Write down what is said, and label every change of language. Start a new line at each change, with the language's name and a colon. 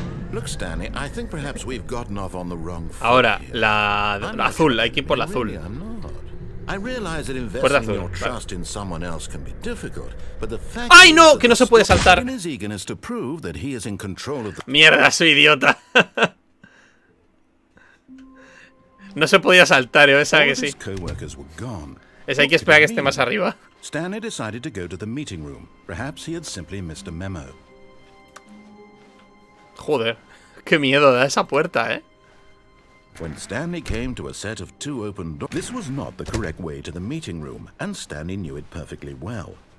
English: Look, Stanley, I think perhaps we've gotten off on the wrong foot.
Spanish: Ahora, la azul, hay que ir por la azul.
English: I realize that investing your trust in someone else can be difficult, but the fact
Spanish: ¡ay, no! Que no se puede saltar. Mierda, soy idiota. No se podía saltar, yo pensaba que sí.
English: Coworkers were gone.
Spanish: Es hay que esperar que esté más arriba.
English: Stanley decided to go to the meeting room. Perhaps he had simply missed a memo.
Spanish: Joder, qué miedo da esa puerta, ¿eh?
English: When Stanley came to a set of two open doors, this was not the correct way to the meeting room, and Stanley knew it perfectly well.